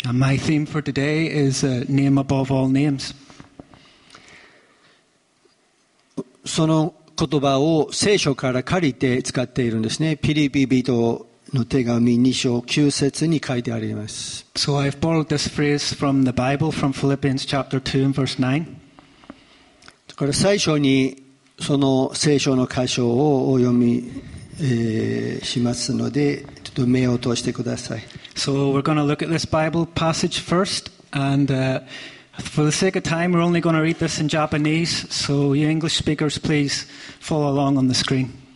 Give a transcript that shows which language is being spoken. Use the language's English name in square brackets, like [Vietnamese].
[English] And my theme for today is a name above all names. [Japanese] その言葉を聖書から借りて使っているんですね。ピリピ人の手紙2章9節に書いてあります。 [English] So I've borrowed this phrase from the Bible from Philippians chapter 2 and verse 9. [Japanese] これ最初にその聖書の箇所をお読み、しますのでちょっと目を通してください。 [English] So we're going to look at this Bible passage first, and、for the sake of time, we're only going to read this in Japanese. So you English speakers, please follow along on the screen.